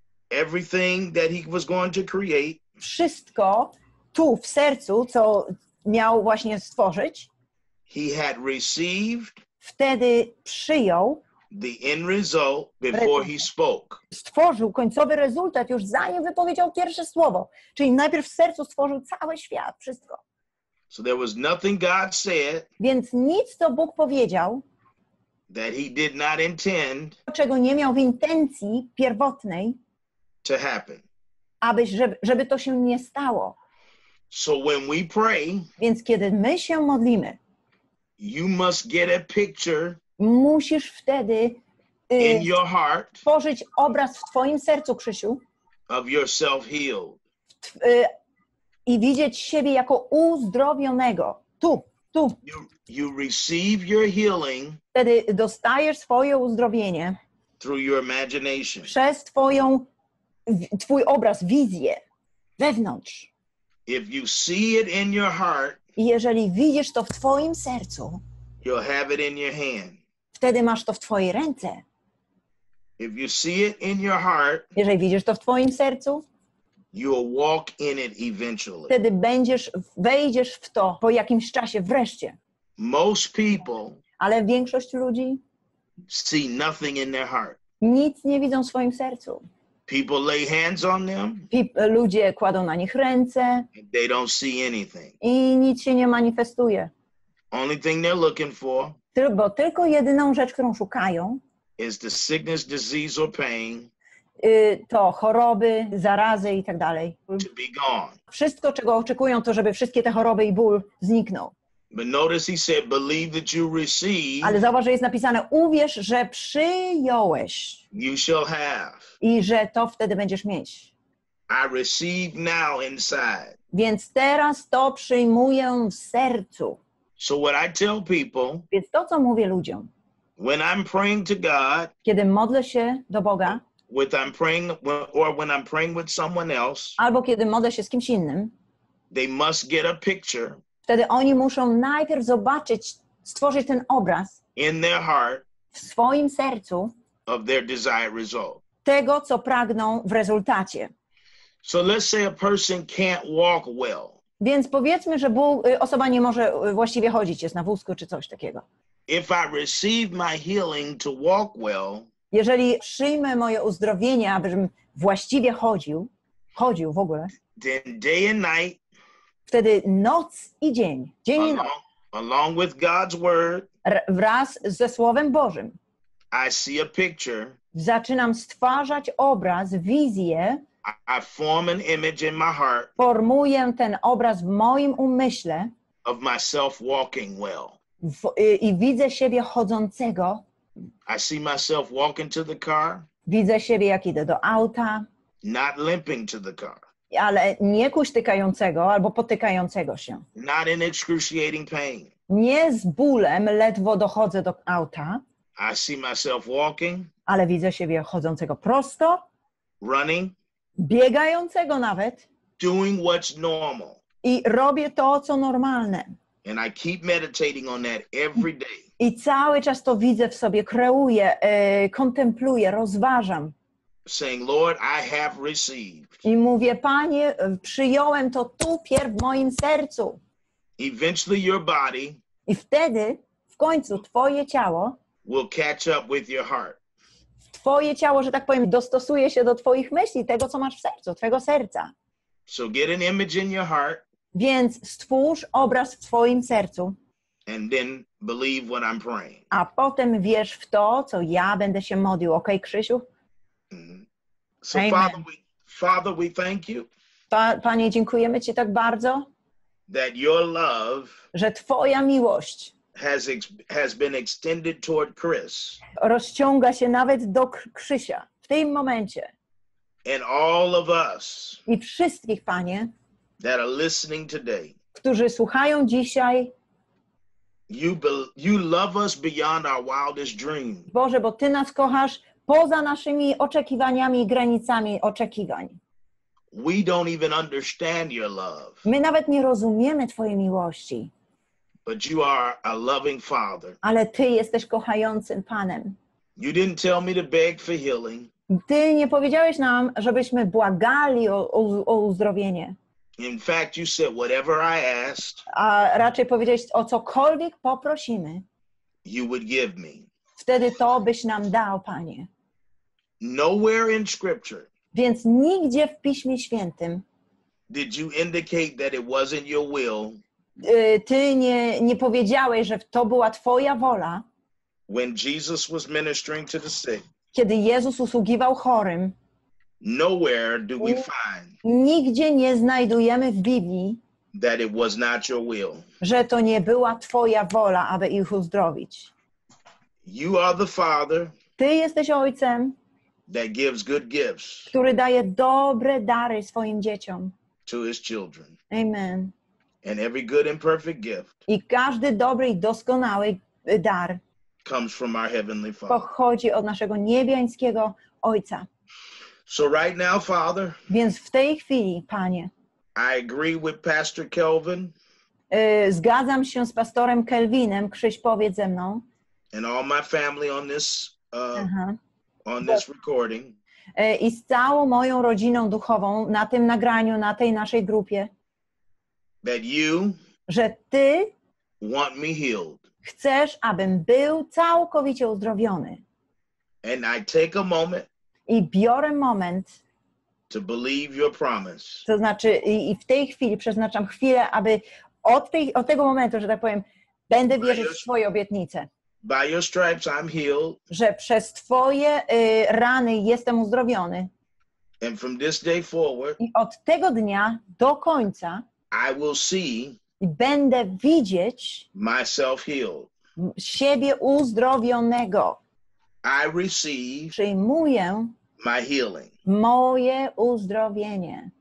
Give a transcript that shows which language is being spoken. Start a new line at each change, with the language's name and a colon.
English: Everything that he was going to create.
Polish: Wszystko tu w sercu, co miał właśnie stworzyć.
English: He had received.
Polish: Wtedy przyjął.
English: The end result before he spoke.
Polish: Stworzył końcowy rezultat już zanim wypowiedział pierwsze słowo. Czyli najpierw w sercu stworzył cały świat, wszystko.
English: So there was nothing God said.
Polish: Więc nic, co Bóg powiedział.
English: That he did not intend.
Polish: Czego nie miał w intencji pierwotnej.
English: To happen.
Polish: Żeby to się nie stało.
English: So when we pray.
Polish: Więc kiedy my się modlimy.
English: You must get a picture.
Polish: Musisz wtedy
English: in your heart,
Polish: tworzyć obraz w twoim sercu, Krzysiu.
English: Of yourself healed.
Polish: I widzieć siebie jako uzdrowionego. Tu.
English: You receive your healing.
Polish: Wtedy dostajesz swoje uzdrowienie.
English: Through your imagination.
Polish: Przez twój obraz, wizję. Wewnątrz.
English: If you see it in your heart.
Polish: Jeżeli widzisz to w twoim sercu.
English: You'll have it in your hand.
Polish: Wtedy masz to w twojej ręce.
English: If you see it in your heart,
Polish: jeżeli widzisz to w twoim sercu,
English: you'll walk in it eventually.
Polish: Wtedy wejdziesz w to po jakimś czasie, wreszcie.
English: Most people,
Polish: ale większość ludzi
English: see nothing in their heart.
Polish: Nic nie widzą w swoim sercu.
English: People lay hands on them,
Polish: ludzie kładą na nich ręce
English: they don't see anything.
Polish: I nic się nie manifestuje.
English: Only thing they're looking for.
Polish: Bo tylko jedyną rzecz, którą szukają,
English: is the sickness, disease or pain,
Polish: to choroby, zarazy i tak dalej.
English: To be gone.
Polish: Wszystko, czego oczekują, to żeby wszystkie te choroby i ból zniknął.
English: But notice he said, believe that you receive,
Polish: ale zauważ, że jest napisane, uwierz, że przyjąłeś.
English: You shall have.
Polish: I że to wtedy będziesz mieć.
English: I receive now inside.
Polish: Więc teraz to przyjmuję w sercu.
English: So what I tell people,
Polish: więc to, co mówię ludziom,
English: when I'm praying to God,
Polish: kiedy modlę się do Boga,
English: when I'm praying with someone else,
Polish: albo kiedy modlę się z kimś innym,
English: they must get a picture,
Polish: wtedy oni muszą najpierw zobaczyć, stworzyć ten obraz
English: in their heart,
Polish: w swoim sercu
English: of their desired result.
Polish: Tego, co pragną w rezultacie.
English: So let's say a person can't walk well.
Polish: Więc powiedzmy, że osoba nie może właściwie chodzić, jest na wózku czy coś takiego.
English: If I receive my healing to walk well,
Polish: jeżeli przyjmę moje uzdrowienie, abym właściwie chodził w ogóle,
English: then day and night,
Polish: wtedy noc i dzień,
English: along,
Polish: i
English: Along with God's word.
Polish: Wraz ze Słowem Bożym.
English: I see a picture.
Polish: Zaczynam stwarzać obraz, wizję.
English: I form an image in my heart.
Polish: Formuję ten obraz w moim umyśle.
English: Of myself walking well.
Polish: I widzę siebie chodzącego.
English: I see myself walking to the car.
Polish: Widzę siebie, jak idę do auta.
English: Not limping to the car.
Polish: Ale nie kuśtykającego albo potykającego się.
English: Not in excruciating pain.
Polish: Nie z bólem ledwo dochodzę do auta.
English: I see myself walking.
Polish: Ale widzę siebie chodzącego prosto.
English: Running.
Polish: Biegającego nawet.
English: Doing what's normal.
Polish: I robię to, co normalne.
English: And I keep meditating on that every day.
Polish: I cały czas to widzę w sobie, kreuję, kontempluję, rozważam.
English: Saying, Lord, I have received.
Polish: I mówię, Panie, przyjąłem to tu pierw w moim sercu.
English: Eventually your body.
Polish: I wtedy, w końcu, Twoje ciało
English: will catch up with your heart.
Polish: Twoje ciało, że tak powiem, dostosuje się do Twoich myśli, tego, co masz w sercu, Twojego serca.
English: So get an image in your heart.
Polish: Więc stwórz obraz w Twoim sercu.
English: And then believe what I'm praying.
Polish: A potem wierz w to, co ja będę się modlił. Okej, Krzysiu?
English: So Amen. Father, we thank you.
Polish: Panie, dziękujemy Ci tak bardzo,
English: that your love,
Polish: że Twoja miłość
English: has been extended toward Chris.
Polish: Rozciąga się nawet do Krzysia w tym momencie.
English: And all of us.
Polish: I wszystkich, Panie,
English: that are listening today.
Polish: Którzy słuchają dzisiaj.
English: You love us beyond our wildest dreams.
Polish: Boże, bo Ty nas kochasz poza naszymi oczekiwaniami i granicami oczekiwań.
English: We don't even understand your love.
Polish: My nawet nie rozumiemy Twojej miłości.
English: But you are a loving father.
Polish: Ale Ty jesteś kochającym Panem.
English: You didn't tell me to beg for healing.
Polish: Ty nie powiedziałeś nam, żebyśmy błagali o uzdrowienie.
English: In fact, you said whatever I asked.
Polish: A raczej powiedziałeś, o cokolwiek poprosimy.
English: You would give me.
Polish: Wtedy to byś nam dał, Panie.
English: Nowhere in Scripture.
Polish: Więc nigdzie w Piśmie Świętym.
English: Did you indicate that it wasn't your will?
Polish: Ty nie powiedziałeś, że to była Twoja wola.
English: When Jesus was ministering to the sick,
Polish: kiedy Jezus usługiwał chorym,
English: nowhere do we find,
Polish: nigdzie nie znajdujemy w Biblii,
English: that it was not your will,
Polish: że to nie była Twoja wola, aby ich uzdrowić.
English: You are the Father,
Polish: Ty jesteś Ojcem,
English: that gives good gifts,
Polish: który daje dobre dary swoim dzieciom.
English: To his children. Amen. And every good and perfect gift.
Polish: I każdy dobry i doskonały dar.
English: Comes from our heavenly Father.
Polish: Pochodzi od naszego niebiańskiego Ojca.
English: So right now, Father.
Polish: Więc w tej chwili, Panie.
English: I agree with Pastor Kelvin.
Polish: Zgadzam się z pastorem Kelvinem. Krzyś, powiedz ze mną.
English: And all my family on this on this recording.
Polish: I z całą moją rodziną duchową na tym nagraniu, na tej naszej grupie.
English: That you,
Polish: że Ty
English: want me healed.
Polish: Chcesz, abym był całkowicie uzdrowiony.
English: And I take a moment,
Polish: i biorę moment,
English: to believe your promise.
Polish: To znaczy, i w tej chwili przeznaczam chwilę, aby od tego momentu, że tak powiem, będę wierzyć w Twoje obietnice.
English: By your stripes I'm healed.
Polish: Że przez Twoje rany jestem uzdrowiony.
English: And from this day forward,
Polish: i od tego dnia do końca
English: I will see,
Polish: będę widzieć,
English: myself healed,
Polish: siebie uzdrowionego.
English: I receive,
Polish: przyjmuję,
English: my healing,
Polish: moje uzdrowienie.